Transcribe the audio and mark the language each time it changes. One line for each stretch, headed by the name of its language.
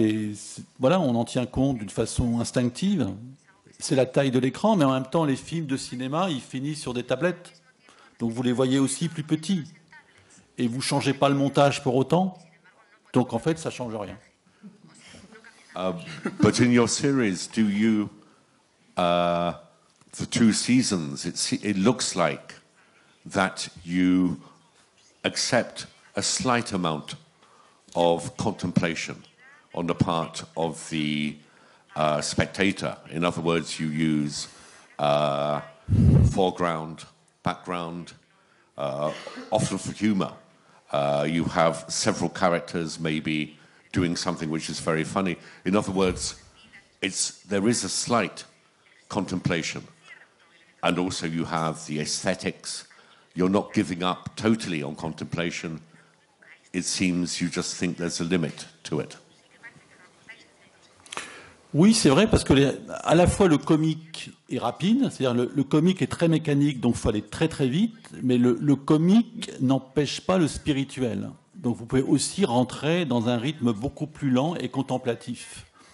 French: Et voilà, on en tient compte d'une façon instinctive. C'est la taille de l'écran. Mais en même temps, les films de cinéma, ils finissent sur des tablettes. Donc, vous les voyez aussi plus petits. Et vous changez pas le montage pour autant. Donc, en fait, ça change rien.
English: But in your series, do you, for two seasons, it looks like that you accept a slight amount of contemplation on the part of the spectator. In other words, you use foreground, background, often for humor. You have several characters, maybe, doing something which is very funny. In other words, there is a slight contemplation. And also you have the aesthetics. You're not giving up totally on contemplation. It seems you just think there's a limit to it.
French: Oui, c'est vrai, parce que à la fois le comique est rapide, c'est-à-dire le comique est très mécanique, donc il faut aller très très vite, mais le comique n'empêche pas le spirituel. Donc vous pouvez aussi rentrer dans un rythme beaucoup plus lent et contemplatif.